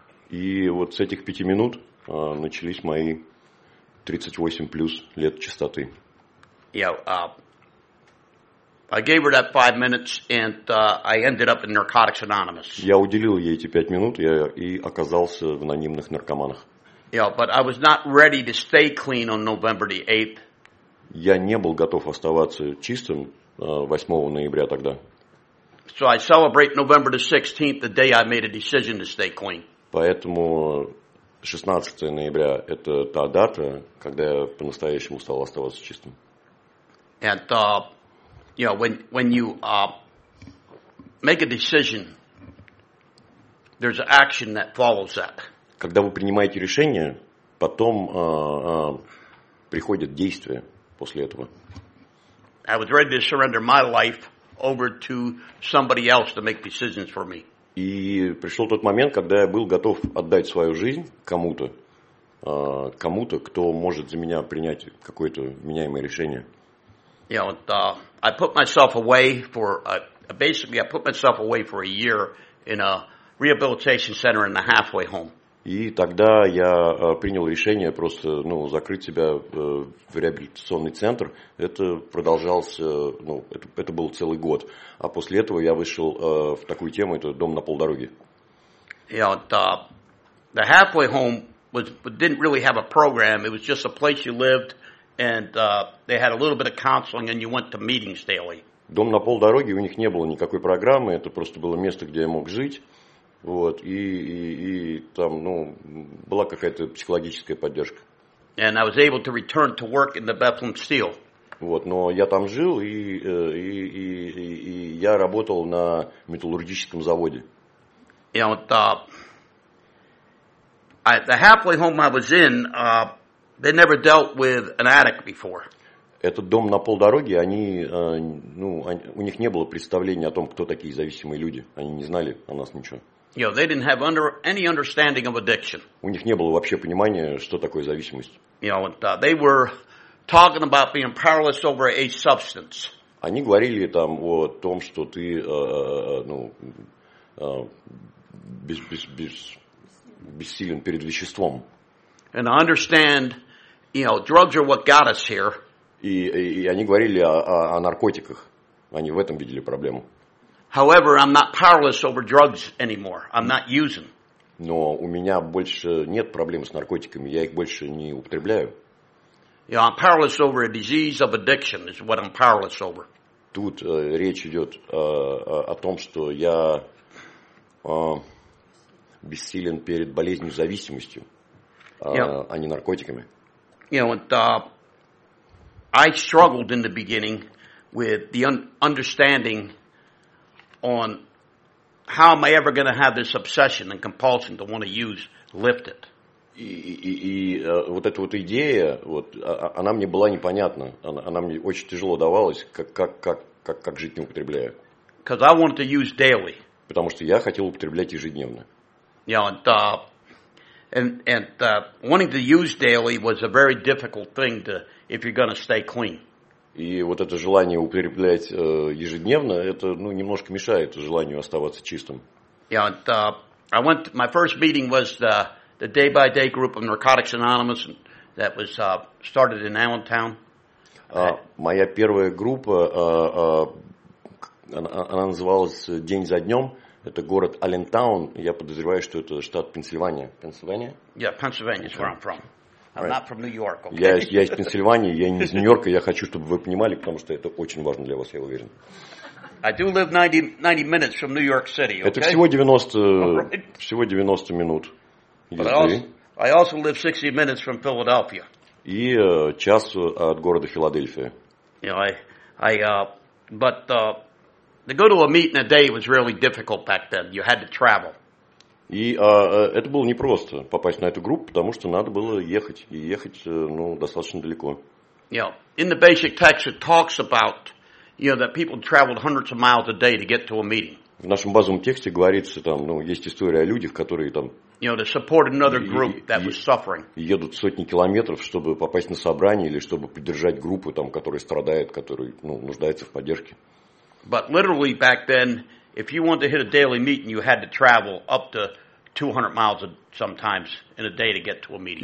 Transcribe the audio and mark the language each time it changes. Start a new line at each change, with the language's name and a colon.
Russian: И вот с этих 5 минут начались мои 38 плюс лет чистоты.
English: Yeah, I gave her that 5 minutes, and I ended up in Narcotics Anonymous.
Russian: Я уделил ей эти 5 минут, и оказался в анонимных наркоманах.
English: Yeah, but I was not ready to stay clean on November the 8th.
Russian: Я не был готов оставаться чистым 8 ноября тогда.
English: So I celebrate November the 16th, the day I made a decision to stay clean.
Russian: Поэтому 16 ноября – это та дата, когда я по-настоящему стал оставаться чистым.
English: And, you know, when you make a decision, there's an action that follows that.
Russian: Когда вы принимаете решение, потом приходит действие после этого.
English: I was ready to surrender my life over to somebody else to make decisions for me.
Russian: И пришел тот момент, когда я был готов отдать свою жизнь кому-то, кому-то, кто может за меня принять какое-то вменяемое решение.
English: You know, I put myself away for basically I put myself away for a year in a rehabilitation center in a halfway home.
Russian: И тогда я принял решение просто, ну, закрыть себя в реабилитационный центр. Это продолжался, ну, это был целый год. А после этого я вышел в такую тему, это дом на полдороге.
English: Yeah, the halfway home didn't really have a program. It was just a place you lived, and they had a little bit of counseling, and you went to meetings daily.
Russian: Дом на полдороге, у них не было никакой программы. Это просто было место, где я мог жить. Вот, и там, ну, была какая-то психологическая поддержка.
English: And I was able to return to work in the Bethlehem Steel.
Russian: Вот, но я там жил, и я работал на металлургическом заводе.
English: You know, the halfway home I was in, they never dealt with an addict before.
Russian: Этот дом на полдороге, они, ну, у них не было представления о том, кто такие зависимые люди. Они не знали о нас ничего.
English: You know, they didn't have any understanding of addiction.
Russian: У них не было вообще понимания, что такое зависимость.
English: You know, they were talking about being powerless over a substance.
Russian: Они говорили там о том, что ты, ну, бессилен перед веществом.
English: And I understand, you know, drugs are what got us here.
Russian: И они говорили о наркотиках. Они в этом видели проблему.
English: However, I'm not powerless over drugs anymore. I'm not using.
Russian: Но у меня больше нет проблем с наркотиками. Я их больше не употребляю.
English: You know, I'm powerless over a disease of addiction is what I'm powerless over.
Russian: Тут речь идет о том, что я бессилен перед болезнью зависимостью, а не наркотиками.
English: You know, and, I struggled in the beginning with the understanding on how am I ever going to have this obsession and compulsion to want to use, lift it.
Russian: И вот эта вот идея, вот, она мне была непонятна. Она мне очень тяжело давалась, как жить не употребляя.
English: Because I wanted to use daily.
Russian: Потому что я хотел употреблять ежедневно.
English: You know, and wanting to use daily was a very difficult thing to, if you're going to stay clean.
Russian: И вот это желание употреблять ежедневно, это, ну, немножко мешает желанию оставаться чистым.
English: Yeah, and, I went, my first meeting was the day-by-day group of Narcotics Anonymous that was started in Allentown.
Russian: Моя первая группа, она называлась «День за днем». Это город Allentown. Я подозреваю, что это штат Пенсильвания. Пенсильвания?
English: Yeah, Pennsylvania is where I'm from. I'm not from New York, okay?
Russian: Я из Пенсильвании, я не из Нью-Йорка. Я хочу, чтобы вы понимали, потому что это очень важно для вас, я уверен.
English: I do live 90 minutes from New York City, okay?
Russian: Это всего 90,
English: right.
Russian: Всего 90 минут.
English: I also live 60 minutes from Philadelphia.
Russian: И час от города Филадельфия.
English: You know, to go to a meeting a day was really difficult back then. You had to travel.
Russian: И это было непросто попасть на эту группу, потому что надо было ехать, и ехать, ну, достаточно далеко.
English: You know, in the basic text it talks about, you know, that people traveled hundreds of miles a day to get to a meeting.
Russian: В нашем базовом тексте говорится там, ну, есть история о людях, которые там,
English: you know, to support another group that was suffering.
Russian: Едут сотни километров, чтобы попасть на собрание или чтобы поддержать группу там, которая страдает, которая, ну, нуждается в поддержке.
English: But literally back then, if you wanted to hit a daily meeting, you had to travel up to 200 miles sometimes in a day to get to a meeting.